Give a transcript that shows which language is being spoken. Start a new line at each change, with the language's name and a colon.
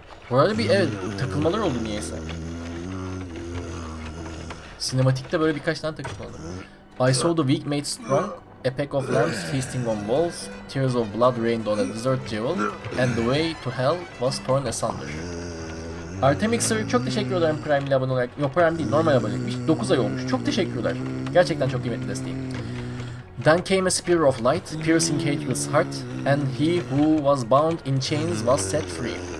Turkish: Bu arada bir evet, takılmalar oldu niyeyse. Sinematikte böyle birkaç tane takıp aldım.
English: I saw the weak made strong, a pack of lambs feasting on walls, tears of blood rained on a desert jewel, and the way to hell was torn asunder.
Turkish: Artemixer çok teşekkür ederim Prime ile abone olarak. Yok Prime değil, normal abonelikmiş. 9 ay olmuş. Çok teşekkürler. Gerçekten çok kıymetli desteği.
English: Then came a spear of light, piercing Hatred's heart, and he who was bound in chains was set free.